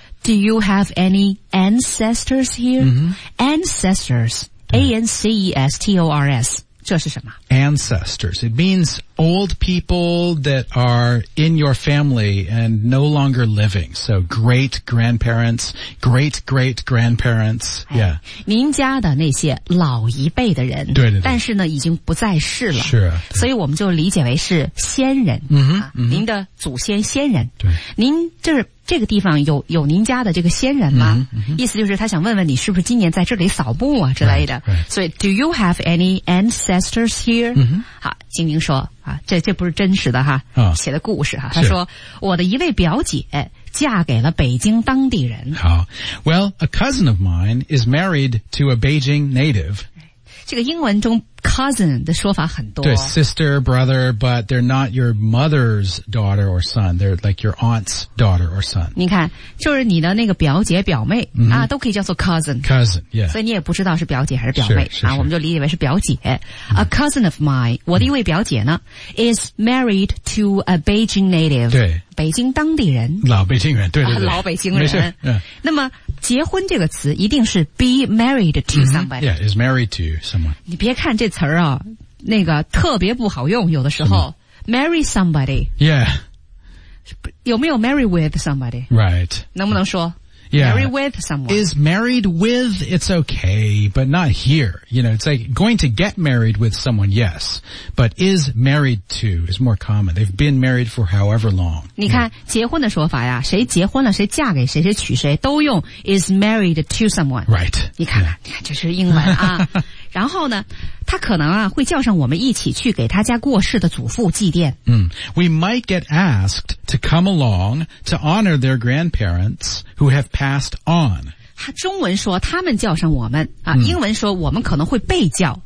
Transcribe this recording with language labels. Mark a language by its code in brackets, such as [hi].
[en] Do you have any ancestors here?、 Mm-hmm. Ancestors, A-N-C-E-S-T-O-R-S, [zh] 这是什么? [en] Ancestors, it means old people that are in your family and no longer living. So great grandparents, great great grandparents,、哎、yeah. [zh] 您家的那些老一辈的人。对对对。但是呢已经不在世了。是啊。所以我们就理解为是先人。嗯、mm-hmm, 啊、您的祖先先人。对。您就是这个地方有您家的这个先人吗、 mm-hmm, 意思就是他想问问你是不是今年在这里扫墓啊之类的。 [en] Right, right. 所以 ,do you have any ancestors here?、 Mm-hmm. [zh] 好精明说。啊、这不是真实的哈、哦、写的故事哈他说我的一位表姐嫁给了北京当地人。 [en] 好 ,well, a cousin of mine is married to a Beijing native. [zh] 这个英文中 cousin 的说法很多。 [en] 对 ,sister, brother, but they're not your mother's daughter or son, they're like your aunt's daughter or son. [zh] 你看就是你的那个表姐表妹、 mm-hmm. 啊都可以叫做 cousin。 [en] cousin, yeah. [zh] 所以你也不知道是表姐还是表妹是是是啊我们就理解为是表姐。 [en] A cousin of mine, [zh] 我的一位表姐呢、mm-hmm. [en] is married to a Beijing native. [zh] 对。北京当地人。老北京人对对对。老北京人。没事、yeah. 那么结婚这个词一定是 [en] be married to somebody.、 [zh] Mm-hmm. [en] Yeah, is married to someone. [zh] 你别看这词儿啊那个特别不好用有的时候。 [en] Marry somebody. Yeah. [zh] 有没有 marry with somebody? [en] Right. [zh] 能不能说 [en] Yeah. Marry with someone. Is married with, it's okay, but not here. You know, it's like going to get married with someone, yes. But is married to is more common. They've been married for however long. [zh] 你看、yeah. 结婚的说法呀谁结婚了谁嫁给谁谁娶谁都用 [en] is married to someone. Right. [zh] 你看、yeah. 你看这是英文啊。然后呢他可能啊会叫上我们一起去给他家过世的祖父祭奠。 Mm. [en] We might get asked to come along to honor their grandparents who have passed on. [zh] 他中文说他们叫上我们啊、mm. 英文说我们可能会被叫。